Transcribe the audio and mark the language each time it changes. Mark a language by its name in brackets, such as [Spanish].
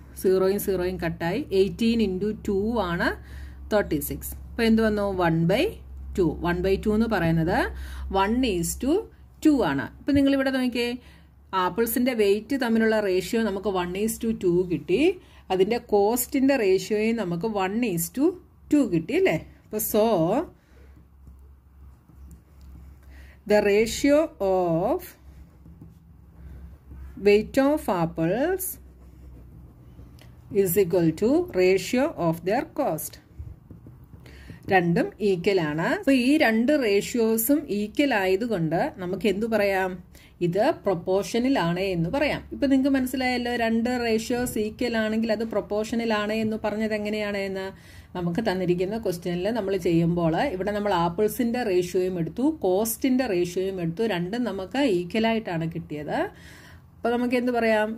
[Malayalam] 0 0 കട്ടായി. 18 × 2 ആണ് 36. അപ്പോൾ എന്ത് വന്നു? 1/2. 1/2 എന്ന് പറയുന്നത് 1:2 ആണ്. ഇപ്പം നിങ്ങളിവിടെ നോക്കിയേ, ആപ്പിൾസിൻ്റെ വെയ്റ്റ് തമ്മിലുള്ള റേഷ്യോ നമുക്ക് 1:2 കിട്ടി. അതിൻ്റെ കോസ്റ്റിൻ്റെ റേഷ്യോയും നമുക്ക് 1:2 കിട്ടി അല്ലേ. അപ്പോൾ so [English] the ratio of weight of apples is equal to ratio of their cost. [Malayalam] രണ്ടും ഈക്വൽ ആണ്. അപ്പോൾ ഈ രണ്ട് റേഷ്യോസും ഈക്വൽ ആയതുകൊണ്ട് നമുക്ക് എന്തു പറയാം? ഇത് പ്രൊപ്പോർഷനിലാണ് എന്ന് പറയാം. ഇപ്പം നിങ്ങൾക്ക് മനസ്സിലായല്ലോ, രണ്ട് റേഷ്യോസ് ഈക്വൽ ആണെങ്കിൽ അത് പ്രൊപ്പോർഷനിലാണ് എന്ന് പറഞ്ഞത് എങ്ങനെയാണ് എന്ന്. നമുക്ക് തന്നിരിക്കുന്ന ക്വസ്റ്റ്യനിൽ നമ്മൾ ചെയ്യുമ്പോൾ ഇവിടെ നമ്മൾ ആപ്പിൾസിൻ്റെ റേഷ്യോയും എടുത്തു, കോസ്റ്റിൻ്റെ റേഷ്യോയും എടുത്തു, രണ്ടും നമുക്ക് ഈക്വൽ ആയിട്ടാണ് കിട്ടിയത്. അപ്പോൾ നമുക്ക് എന്ത് പറയാം?